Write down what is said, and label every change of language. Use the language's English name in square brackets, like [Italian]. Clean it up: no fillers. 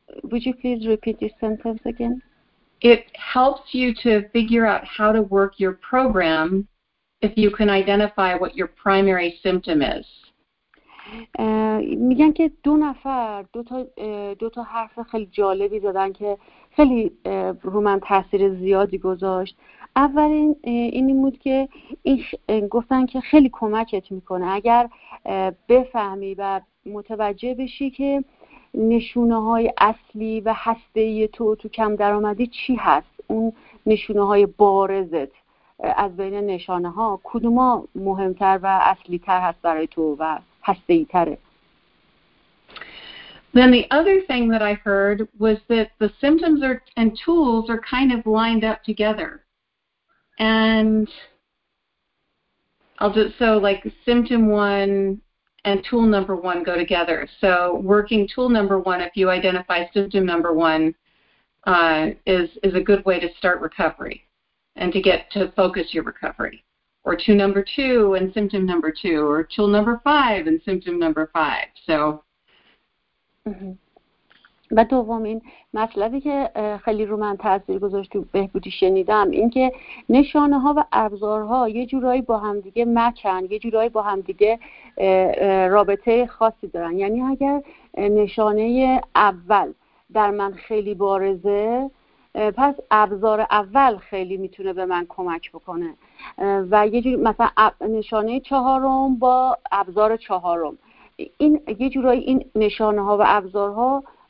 [English] Would you please repeat your sentence again? It helps you to figure out how to work your program if you can identify what your primary symptom is. [Persian] میگن که دو نفر دو تا حرف خیلی جالبی زدن که خیلی رو من تاثیر زیادی گذاشت. اولین این بود که این گفتن که خیلی کمکت میکنه اگر بفهمی و متوجه بشی که نشونه های اصلی و هسته‌ای تو کم درآمدی چی هست، اون نشونه های بارزت از بین نشانه ها کدوما مهمتر و اصلی تر هست برای تو و هسته‌ای‌تره. [English] Then the other thing that I heard was that the symptoms are and tools are kind of lined up together. And I'll just, so like symptom one and tool number one go together. So working tool number one, if you identify symptom number one, is a good way to start recovery and to get to focus your recovery. Or tool number two and symptom number two, or tool number five and symptom number five. So. [Persian] و دومین مطلبی که خیلی رو من تاثیر گذاشت و بهبودی شنیدم این که نشانه ها و ابزارها یه جورایی با هم دیگه مکن، یه جورایی با هم دیگه رابطه خاصی دارن. یعنی اگر نشانه اول در من خیلی بارزه، پس ابزار اول خیلی میتونه به من کمک بکنه و یه جوری مثلا نشانه چهارم با ابزار چهارم، این یه جورایی این نشانه ها و ابزارها